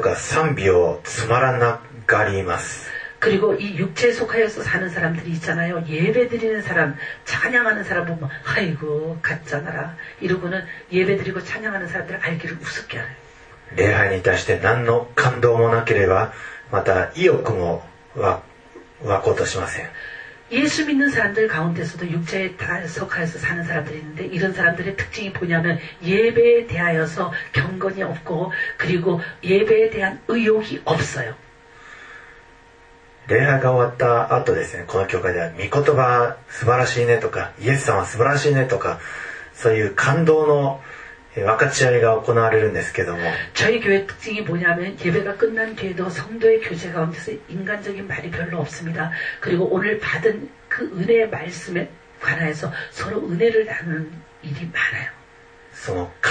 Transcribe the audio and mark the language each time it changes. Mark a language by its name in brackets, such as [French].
[Japanese] また肉に従う者は礼拝とか賛美をつまらながります。 [Korean] 그리고 이 육체에 속하여서 사는 사람들이 있잖아요. 예배 드리는 사람, 찬양하는 사람 보면 아이고 가짜나라 이러고는 예배 드리고 찬양하는 사람들을 알기를 우습게 알아요. [Japanese] 礼拝に対して何の感動もなければまた意欲も湧こうとしません。 [Korean] 예수 믿는 사람들 가운데서도 육체에 속하여서 사는 사람들이 있는데 이런 사람들의 특징이 뭐냐면 예배에 대하여서 경건이 없고 그리고 예배에 대한 의욕이 없어요. 예배가 왔다 [Japanese] 後ですね、この教会では御言葉素晴らしいねとかイエス様素晴らしいねとかそういう感動の 分かち合いが 行われるんですけども [Korean] 저희 교회 특징이 뭐냐면 예배가 끝난 뒤에도 성도의 교제 가운데서 인간적인 말이 별로 없습니다. 그리고 오늘 받은 그 은혜의 말씀에 관해서 서로 은혜를 나누는 일이 많아요.